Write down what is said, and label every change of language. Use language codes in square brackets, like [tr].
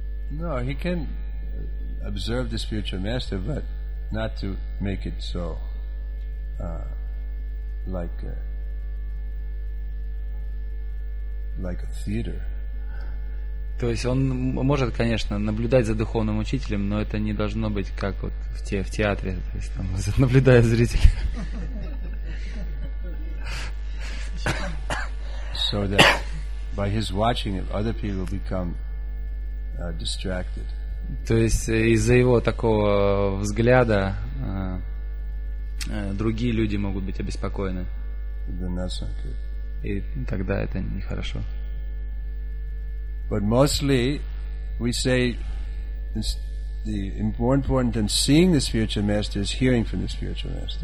[en] No, he can observe the spiritual master, but not to make it so like a theater. [ru] То есть он может, конечно, наблюдать за духовным учителем, но это не должно быть как вот в театре, то есть там наблюдая зрителя. [en] So that by his watching it, other people become distracted. [ru] То есть из-за его такого взгляда другие люди могут быть обеспокоены. [en] Then that's not good. [ru] И тогда это нехорошо. [en] But mostly, we say the important point than seeing the spiritual master is hearing from the spiritual master.